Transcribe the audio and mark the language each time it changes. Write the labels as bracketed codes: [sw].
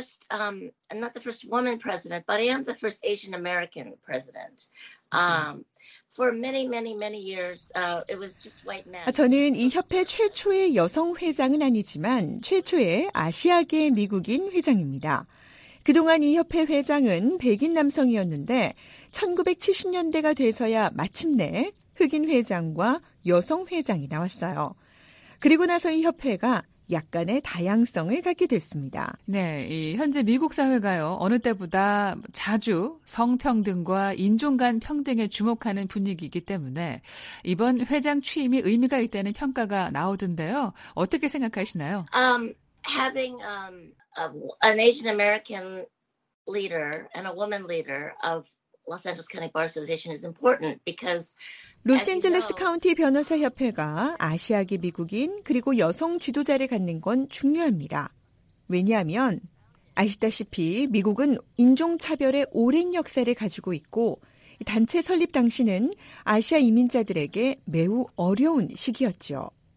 [en] I'm not the first woman president, but I am the first Asian American president. For many, many, many years, it was just white men. [ko] 저는 이 협회 최초의 여성 회장은 아니지만 최초의 아시아계 미국인 회장입니다. 그동안 이 협회 회장은 백인 남성이었는데 1970년대가 돼서야 마침내 흑인 회장과 여성 회장이 나왔어요. 그리고 나서 이 협회가 약간의 다양성을 갖게 됐습니다. 네, 현재 미국 사회가요 어느 때보다 자주 성평등과 인종 간 평등에 주목하는 분위기이기 때문에 이번 회장 취임이 의미가 있다는 평가가 나오던데요. 어떻게 생각하시나요? [en] Having an Asian American leader and a woman leader of Los Angeles County Bar Association is important because [ko] 로스앤젤레스 카운티 변호사협회가 아시아계 미국인 그리고 여성 지도자를 갖는 건 중요합니다. 왜냐하면 아시다시피 미국은 인종차별의 오랜 역사를 가지고 있고 단체 설립 당시는 아시아 이민자들에게 매우 어려운 시기였죠.